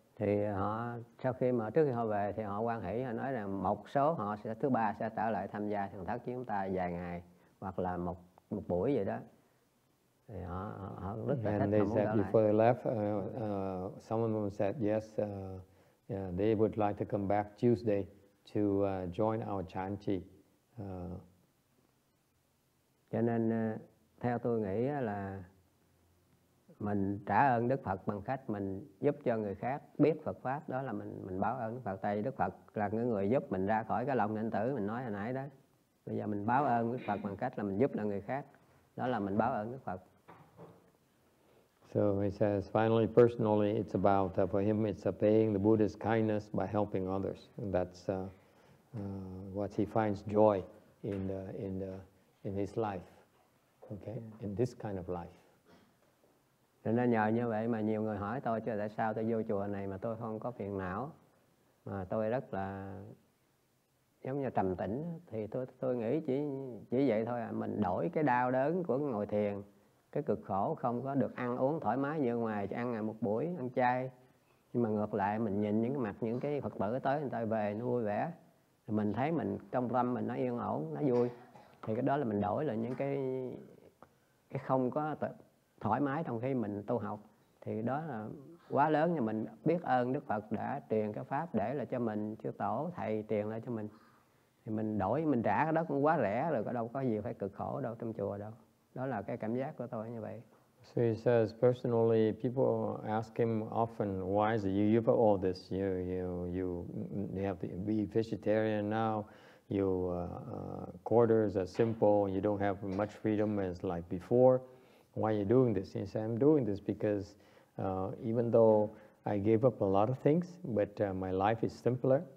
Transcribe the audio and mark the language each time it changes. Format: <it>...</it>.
<vi>Thì họ sau khi mà trước khi họ về thì họ quan hỷ, họ nói rằng một số họ sẽ thứ ba sẽ trở lại tham gia thiền thất với chúng ta vài ngày hoặc là một buổi vậy đó. Thì họ rất là thích.</vi> <en>And they said before they left, some of them said yes, they would like to come back Tuesday to join our Chanqi.</en> <vi>Cho nên theo tôi nghĩ là mình trả ơn Đức Phật bằng cách mình giúp cho người khác biết Phật Pháp. Đó là mình báo ơn Đức Phật. Tại vì Đức Phật là người giúp mình ra khỏi cái lòng nhân tử mình nói hồi nãy đó. Bây giờ mình báo ơn Đức Phật bằng cách là mình giúp được người khác. Đó là mình báo ơn Đức Phật.</vi> <en>So he says, finally, personally, it's about, for him, it's paying the Buddha's kindness by helping others. And that's what he finds joy in his life, okay, in this kind of life.</en> <vi>Cho nên nhờ như vậy mà nhiều người hỏi tôi chứ tại sao tôi vô chùa này mà tôi không có phiền não, mà tôi rất là giống như trầm tĩnh. Thì tôi nghĩ chỉ vậy thôi à, mình đổi cái đau đớn của ngồi thiền, cái cực khổ không có được ăn uống thoải mái như ngoài, chỉ ăn ngày một buổi, ăn chay. Nhưng mà ngược lại mình nhìn những mặt những cái Phật tử tới người ta về nó vui vẻ, mình thấy mình trong tâm mình nó yên ổn, nó vui. Thì cái đó là mình đổi là những cái không có thoải mái trong khi mình tu học. Thì đó là quá lớn, nhưng mình biết ơn Đức Phật đã truyền cái pháp để là cho mình, chư tổ thầy truyền lại cho mình. Thì mình đổi, mình trả cái đó cũng quá rẻ rồi, có đâu có gì phải cực khổ đâu trong chùa đâu. Đó là cái cảm giác của tôi như vậy.</vi> <en>So he says, personally, people ask him often, why is it you have all this? You have to be vegetarian now. Your quarters are simple. You don't have much freedom as like before. Why are you doing this? He said, I'm doing this because even though I gave up a lot of things, but my life is simpler.</en>